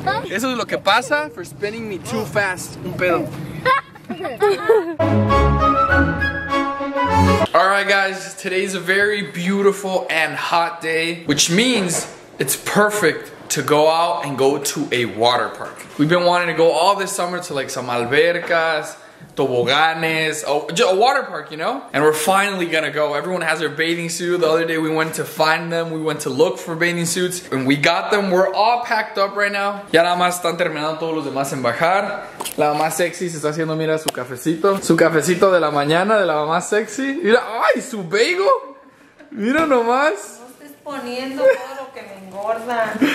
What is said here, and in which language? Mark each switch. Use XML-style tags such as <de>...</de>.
<es>Eso es lo que pasa</es> <en>for spinning me too fast,</en> <es>un pedo.</es> <en>Alright guys, today's a very beautiful and hot day, which means it's perfect to go out and go to a water park. We've been wanting to go all this summer to like some</en> <es>albercas, toboganes,</es> <en>a water park, you know? And we're finally gonna go. Everyone has their bathing suit. The other day we went to find them. We went to look for bathing suits and we got them. We're all packed up right now.</en> <es>Ya nada más están terminando todos los demás en bajar. La mamá sexy se está haciendo, mira, su cafecito. Su cafecito de la mañana de la mamá sexy. Mira, ay, su bagel. Mira nomás. No estés poniendo todo lo que me engorda.</es>